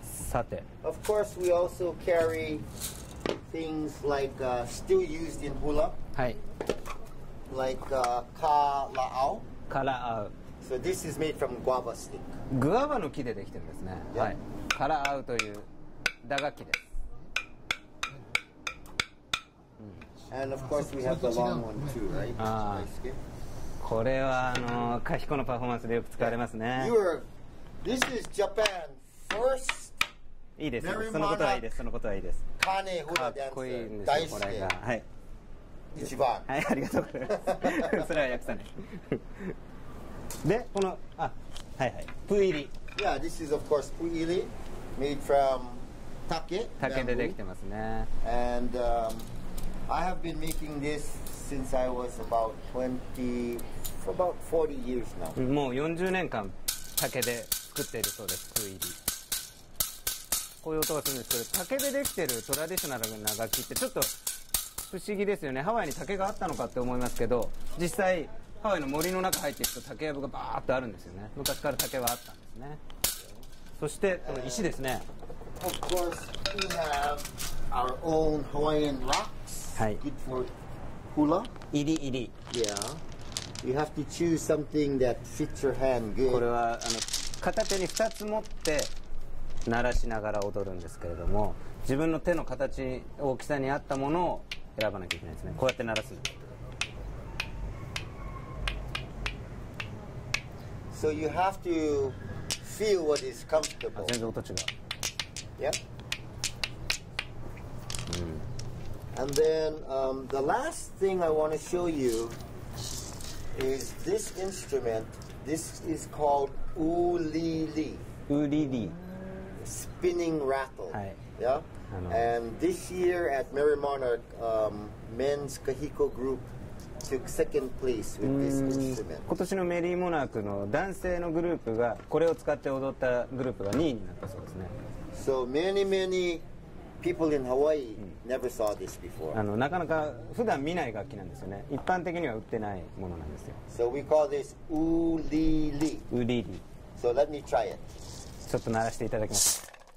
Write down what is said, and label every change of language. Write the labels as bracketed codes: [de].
[ja] さて。 [en] Of course, we also carry things like still used in hula. [ja] はい。 [en] Like ka la'au. [haw] Ka la'au. [en] So this is made from guava stick. [ja] グアバの木でできてるんですね。 [en] Yeah. は [ja] い。カラアウという打楽器です。 [en] And of course we have the long one too, right? [ja] ああ。これはカヒコのパフォーマンスでよく使われますね。 [en] Yeah. You are. This is Japan first. [ja] いいです。そのことはいいです。そのことはいいです。カネホラダンス。かっこいいんですよ。これが。はい。一番。はい、ありがとうございます。それは訳さない。で、この、はいはい、プイリ。 [en] Yeah, this is of course プイリ made from 竹 [ja] でできてますね。 [en] And I have been making this since I was about 20, for about 40 years now. [ja] もう40年間竹で作っているそうです、プイリ。こういう音がするんですけど、竹でできてるトラディショナルな楽器ってちょっと不思議ですよね。ハワイに竹があったのかって思いますけど、実際ハワイの森の中入っていくと竹やぶがバーッとあるんですよね。昔から竹はあったんですね。そしてこの石ですね。 [en] Of course, we have our own Hawaiian rocks. [ja] はい。 [en] Good for hula. [haw] イリイリ。 [en] Yeah. You have to choose something that fits your hand good. [ja] これは片手に2つ持って鳴らしながら踊るんですけれども、自分の手の形大きさに合ったものを選ばなきゃいけないですね。こうやって鳴らすの。 [en] So you have to feel what is comfortable. [ja] 全然音違う。 [en] Yeah. And then, the last thing I want to show you is this instrument. This is called Ulili. Ulili. Spinning rattle. Yeah. And this year at Merry Monarch, men's Kahiko group. took second place with this instrument. [ja] 今年のメリーモナークの男性のグループがこれを使って踊ったグループが2位になったそうですね。 [en] So many many people in Hawaii never saw this before. [ja] なかなか普段見ない楽器なんですよね。一般的には売ってないものなんですよ。 [en] So we call this Ulili. Ulili. So let me try it. [ja] ちょっと鳴らしていただきます。